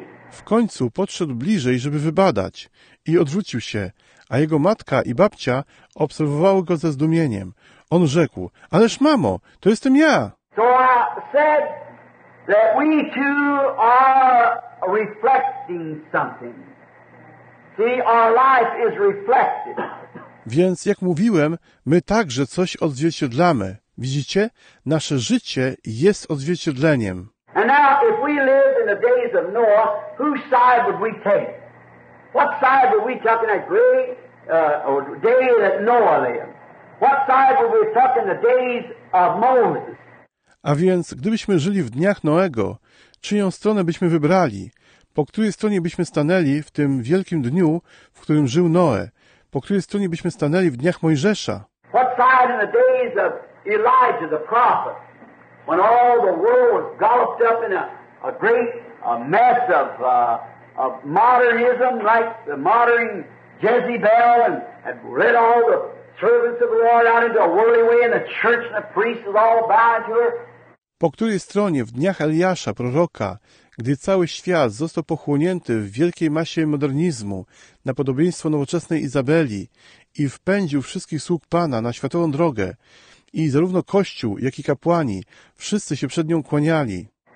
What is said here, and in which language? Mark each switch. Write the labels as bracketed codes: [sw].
[pl] W końcu podszedł bliżej, żeby wybadać. I odwrócił się, a jego matka i babcia obserwowały go ze zdumieniem. On rzekł, ależ mamo, to jestem ja. [en] So I said that we too are reflecting something. See, our life is reflected. [pl] Więc jak mówiłem, my także coś odzwierciedlamy. Widzicie? Nasze życie jest odzwierciedleniem. [en] And now, if we lived in the days of Noah, whose side would we take? What side would we take in that great day that Noah lived? What side would we take in the days of Moses? [pl] A więc, gdybyśmy żyli w dniach Noego, czyją stronę byśmy wybrali? Po której stronie byśmy stanęli w tym wielkim dniu, w którym żył Noe? Po której stronie byśmy stanęli w dniach Mojżesza? [en] What side in the days of Elijah the prophet, when all the world was galloped up in a great mess of modernism, like the modern Jezebel, and had led all the servants of the Lord out into a worldly way, and the church and the priests was all bowing to her? [pl] Po której stronie w dniach Eliasza, proroka, gdy cały świat został pochłonięty w wielkiej masie modernizmu na podobieństwo nowoczesnej Izabeli i wpędził wszystkich sług Pana na światową drogę i zarówno Kościół, jak i kapłani, wszyscy się przed nią kłaniali.